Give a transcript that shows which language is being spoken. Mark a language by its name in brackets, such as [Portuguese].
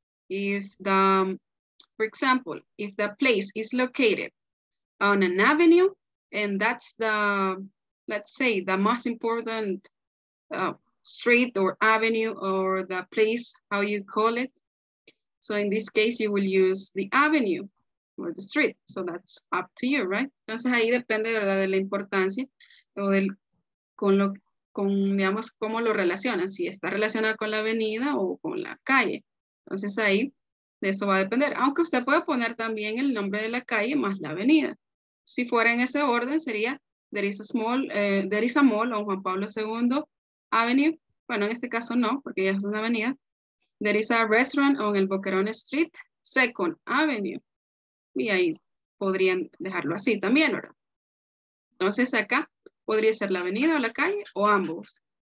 [English] If the, for example, if the place is located on an avenue, and that's the, let's say, the most important street or avenue or the place, how you call it. So in this case, you will use the avenue or the street. So that's up to you, right? [Spanish] Entonces ahí depende, ¿verdad?, de la importancia o del, con lo, con, digamos, cómo lo relacionan, si está relacionado con la avenida o con la calle. Entonces ahí de eso va a depender. Aunque usted puede poner también el nombre de la calle más la avenida. Si fuera en ese orden, sería [English] there is a small, there is a mall on Juan Pablo II Avenue. [Spanish] Bueno, en este caso no, porque ya es una avenida. [English] There is a restaurant on El Boquerón Street, Second Avenue. [Spanish] Y ahí podrían dejarlo así también, ¿verdad? Entonces acá podría ser la avenida o la calle o ambos.